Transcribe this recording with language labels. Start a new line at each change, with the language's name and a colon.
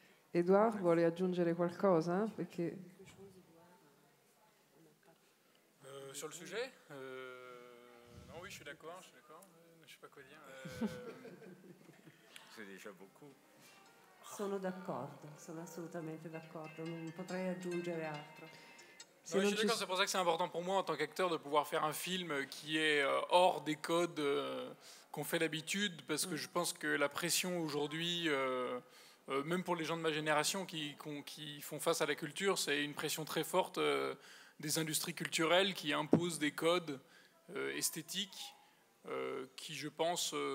Italian: Edouard vuole aggiungere qualcosa? Perché...
French: sur le sujet non, oui, je suis d'accord, je ne sais pas quoi dire. C'est déjà beaucoup.
Italian: Sono d'accordo, sono assolutamente d'accordo, non potrei aggiungere altro.
French: Se non, non, c'est pour ça que c'est important pour moi en tant qu'acteur de pouvoir faire un film qui est hors des codes qu'on fait d'habitude, parce que je pense que la pression aujourd'hui, même pour les gens de ma génération qui font face à la culture, c'est une pression très forte des industries culturelles qui imposent des codes esthétiques qui, je pense...